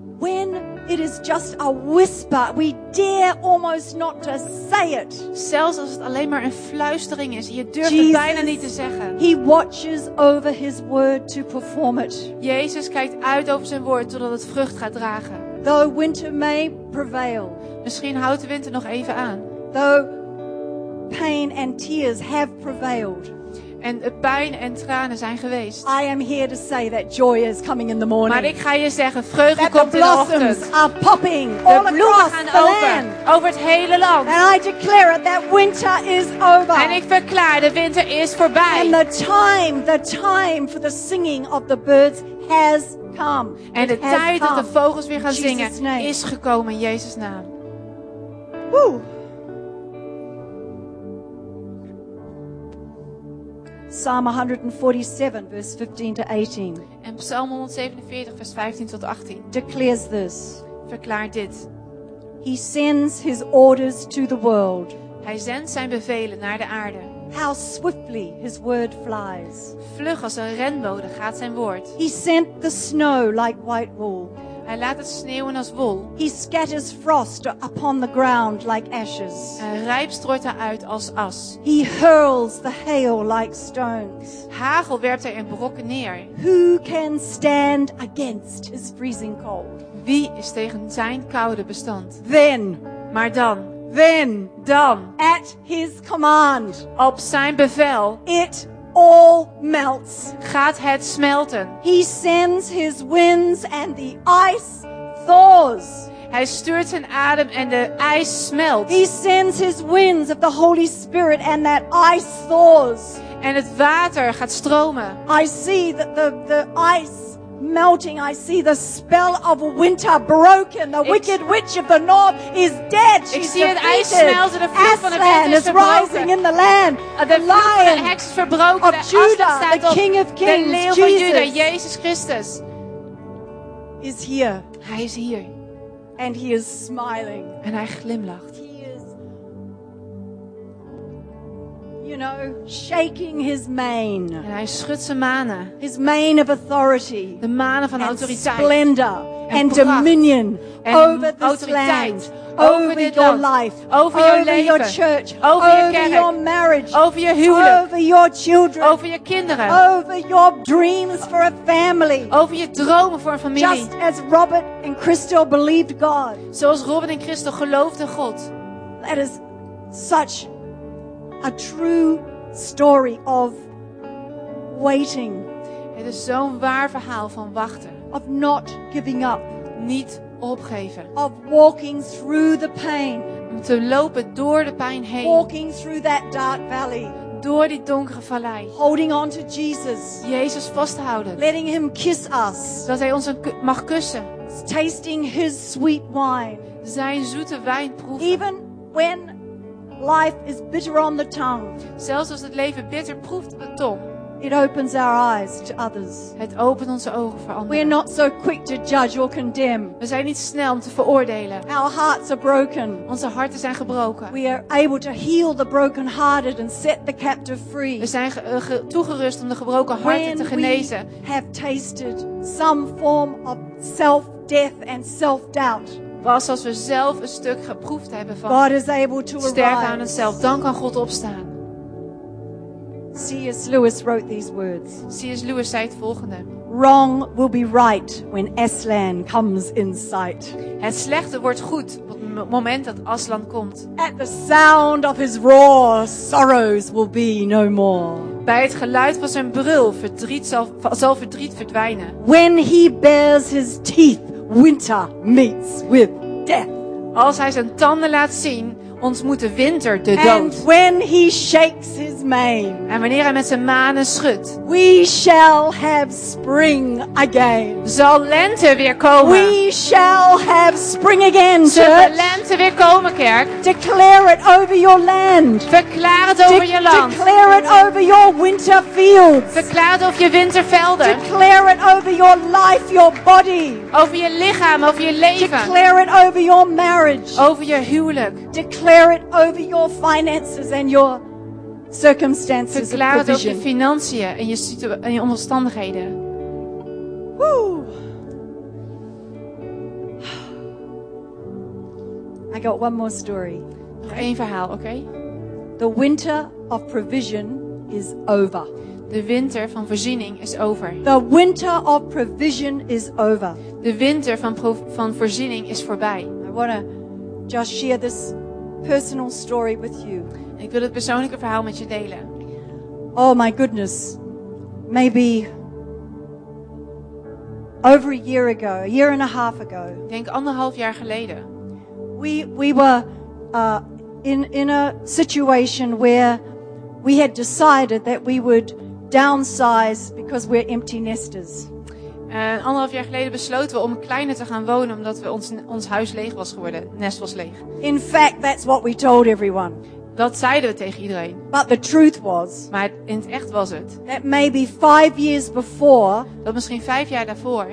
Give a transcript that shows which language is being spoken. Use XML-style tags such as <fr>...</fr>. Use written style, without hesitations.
<en>When it is just a whisper, we dare almost not to say it.</en> <nl>Zelfs als het alleen maar een fluistering is, je durft het bijna niet te zeggen.</nl> <en>He watches over his word to perform it.</en> <nl>Jezus kijkt uit over zijn woord totdat het vrucht gaat dragen.</nl> <en>Though winter may prevail.</en> <nl>Misschien houdt de winter nog even aan.</nl> <en>Though pain and tears have prevailed.</en> <nl>En pijn en tranen zijn geweest.</nl> <en>I am here to say that joy is coming in the morning.</en> <nl>Maar ik ga je zeggen, vreugde komt in de ochtend.</nl> <en>The blossoms are popping</en> <nl>de</nl> <en>all across the land.</en> <nl>Over het hele land.</nl> <en>And I declare it that winter is over.</en> <nl>En ik verklaar, de winter is voorbij.</nl> <en>And the time for the singing of the birds has come.</en> <nl>En de tijd</nl> <en>come.</en> <nl>Dat de vogels weer gaan zingen is gekomen in Jezus' naam. Woo.</nl> <en>Psalm 147, verse 15 to 18.</en> <nl>En Psalm 147, vers 15 tot 18.</nl> <en>Declares this.</en> <nl>Verklaart dit.</nl> <en>He sends his orders to the world.</en> <nl>Hij zendt zijn bevelen naar de aarde.</nl> <en>How swiftly his word flies.</en> <nl>Vlug als een renbode gaat zijn woord.</nl> <en>He sent the snow like white wool.</en> <nl>Hij laat het sneeuwen als wol.</nl> <en>He scatters frost upon the ground like ashes.</en> <nl>En rijp strooit hij uit als as.</nl> <en>He hurls the hail like stones.</en> <nl>Hagel werpt hij in brokken neer.</nl> <en>Who can stand against his freezing cold?</en> <nl>Wie is tegen zijn koude bestand?</nl> <en>Then.</en> <nl>Maar dan.</nl> <en>Then.</en> <nl>Dan.</nl> <en>At his command.</en> <nl>Op zijn bevel.</nl> <en>It all melts.</en> <nl>Gaat het smelten.</nl> <en>He sends his winds and the ice thaws.</en> <nl>Hij stuurt zijn adem en de ijs smelt.</nl> <en>He sends his winds of the Holy Spirit and that ice thaws.</en> <nl>En het water gaat stromen.</nl> <en>I see that the ice melting. I see the spell of winter broken. The wicked witch of the north is dead. She's</en> <nl>ik zie</nl> <en>defeated.</en> <nl>Het ijs smelten. De vloek van de winter</nl> <en>Aslan is rising in the land.</en> <nl>De</nl> <en>lion</en> <nl>verbroken.</nl> <en>Of Judah, the king of kings,</en> <nl>de leeuw van</nl> <en>Jesus,</en> <nl>Judah, Jezus Christus,</nl> <en>is here.</en> <nl>Hij is hier.</nl> <en>And he is smiling.</en> <nl>En hij glimlacht.</nl> <en>He is you know, shaking his mane.</en> <nl>En hij schudt zijn manen.</nl> <en>His mane of authority.</en> <nl>De manen van autoriteit.</nl> <en>And splendor and dominion over this land. Over your life, over your</en> <nl>leven,</nl> <en>over your church, over your</en> <nl>kerk,</nl> <en>your marriage, over your</en> <nl>huwelijk,</nl> <en>over your children,</en> <nl>over je kinderen,</nl> <en>over your dreams for a family,</en> <nl>over je dromen voor een familie.</nl> <en>Just as Robert and Crystal believed God,</en> <nl>zoals Robert en Crystal geloofden God.</nl> <en>That is such a true story of waiting.</en> <nl>Het is zo'n waar verhaal van wachten.</nl> <en>Of not giving up,</en> <nl>niet opgeven.</nl> <en>Of walking through the pain.</en> <nl>Om te lopen door de pijn heen.</nl> <en>Walking through that dark valley.</en> <nl>Door die donkere vallei.</nl> <en>Holding on to Jesus.</en> <nl>Jezus vasthouden.</nl> <en>Letting him kiss us.</en> <nl>Dat hij ons mag kussen.</nl> <en>Tasting his sweet wine.</en> <nl>Zijn zoete wijn proeven.</nl> <en>Even when life is bitter on the tongue.</en> <nl>Zelfs als het leven bitter proeft op de tong.</nl> <en>It opens our eyes to others.</en> <nl>Het opent onze ogen voor anderen.</nl> <en>We are not so quick to judge or condemn.</en> <nl>We zijn niet snel om te veroordelen.</nl> <en>Our hearts are broken.</en> <nl>Onze harten zijn gebroken.</nl> <en>We are able to heal the brokenhearted and set the captive free.</en> <nl>We zijn toegerust om de gebroken harten</nl> <en>when</en> <nl>te genezen.</nl> <en>We have tasted some form of self-death and self-doubt.</en> <nl>Pas als we zelf een stuk geproefd hebben van</nl> <en>God is able to</en> <nl>sterven aan onszelf, dan kan God opstaan.</nl> <en>C.S. Lewis wrote these words.</en> <nl>C.S. Lewis zei het volgende.</nl> <en>Wrong will be right when Aslan comes in sight.</en> <nl>Het slechte wordt goed op het moment dat Aslan komt.</nl> <en>At the sound of his roar, sorrows will be no more.</en> <nl>Bij het geluid van zijn brul zal verdriet verdwijnen.</nl> <en>When he bares his teeth, winter meets with death.</en> <nl>Als hij zijn tanden laat zien, ontmoet de winter de dood.</nl> <en>And when he shakes his mane,</en> <nl>en wanneer hij met zijn manen schudt,</nl> <en>we shall have spring again.</en> <nl>Zal lente weer komen.</nl> <en>We shall have spring again, church.</en> <nl>Zal lente weer komen, kerk.</nl> <en>Declare it over your land.</en> <nl>Verklaar het over je land.</nl> <en>Declare it over your winter fields.</en> <nl>Verklaar het over je wintervelden.</nl> <en>Declare it over your life, your body.</en> <nl>Over je lichaam, over je leven.</nl> <en>Declare it over your marriage.</en> <nl>Over je huwelijk.</nl> <en>Declare it over your finances and your circumstances.</en> <nl>Verklaar het over je financiën en je omstandigheden. Woo.</nl> <en>I got one more story.</en> <nl>Nog één verhaal, oké? Okay?</nl> <en>The winter of provision is over.</en> <nl>De winter van voorziening is over.</nl> <en>The winter of provision is over.</en> <nl>De winter van voorziening is voorbij.</nl> <en>I want to just share this personal story with you.</en> <nl>Ik wil het persoonlijke verhaal met je delen.</nl> <en>Oh my goodness. Maybe over a year ago, a year and a half ago.</en> <nl>Ik denk anderhalf jaar geleden.</nl> <en>We were in a situation where we had decided that we would downsize because we're empty nesters.</en> <nl>Anderhalf jaar geleden besloten we om kleiner te gaan wonen omdat we ons huis leeg was geworden. Nest was leeg.</nl> <en>In fact, that's what we told everyone.</en> <nl>Dat zeiden we tegen iedereen.</nl> <en>But the truth was,</en> <nl>maar in het echt was het.</nl> <en>That maybe 5 years before,</en> <nl>dat misschien 5 jaar daarvoor.</nl>